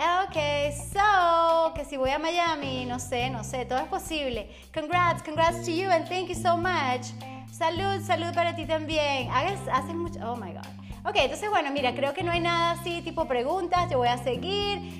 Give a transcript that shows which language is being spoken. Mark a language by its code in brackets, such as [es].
[es] Ok, so, que si voy a Miami, no sé, todo es posible. [en] Congrats to you and thank you so much. [es] Salud para ti también. Haces mucho, [en] oh my God. [es] Ok, entonces bueno, mira, creo que no hay nada así tipo preguntas, yo voy a seguir.